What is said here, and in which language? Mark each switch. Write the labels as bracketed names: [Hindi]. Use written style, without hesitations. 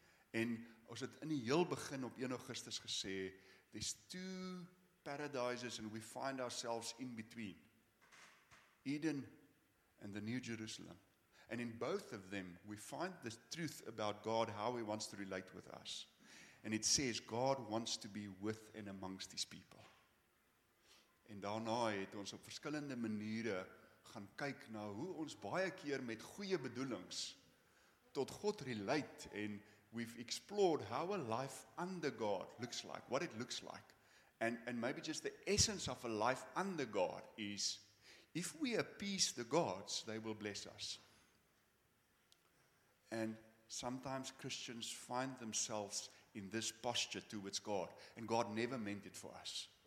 [Afrikaans] En ons het in die heel begin op 1 Augustus gesê, [English] there's two paradises and we find ourselves in between. Eden and the New Jerusalem. And in both of them, we find the truth about God, how he wants to relate with us. And it says, God wants to be with and amongst these people. [Afrikaans] En daarna het ons op verskillende maniere gaan kyk na hoe ons baie keer met goeie bedoelings tot God relate. [English] And we've explored how a life under God looks like, what it looks like. and maybe just the essence of a life under God is, if we appease the gods, they will bless us. And sometimes Christians find themselves in this posture towards God, and God never meant it for us.